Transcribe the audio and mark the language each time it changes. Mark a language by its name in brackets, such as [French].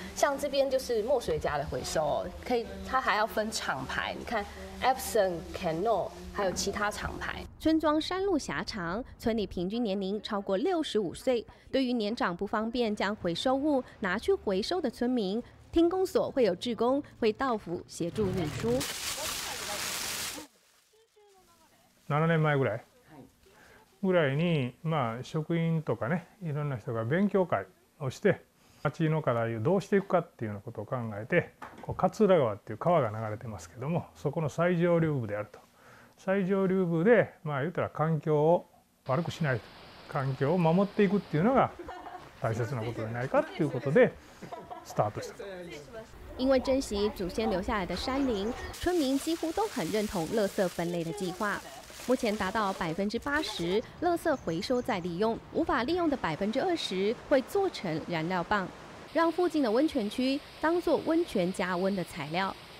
[Chinese] 像这边就是墨水家的回收，可以，它还要分厂牌，你看 Epson、Canon 还有其他厂牌。村庄山路狭长，村里平均年龄超过65岁，对于年长不方便将回收物拿去回收的村民，町公所会有志工会到府协助运输。 [Japanese] 7年前ぐらい。ぐらいに、まあ、職員とかね、いろんな人が勉強会をして、町の課題をどうしていくかっていうようなことを考えて、こう勝浦川っていう川が流れてますけども、そこの最上流部であると。最上流部で、まあ言ったら環境を悪くしないと、環境を守っていくっていうのが大切なことじゃないかっていうことでスタートしたと。 [Chinese] 因为珍惜祖先留下来的山林，村民几乎都很认同垃圾分类的计划。目前达到80%垃圾回收再利用，无法利用的20%会做成燃料棒，让附近的温泉区当作温泉加温的材料。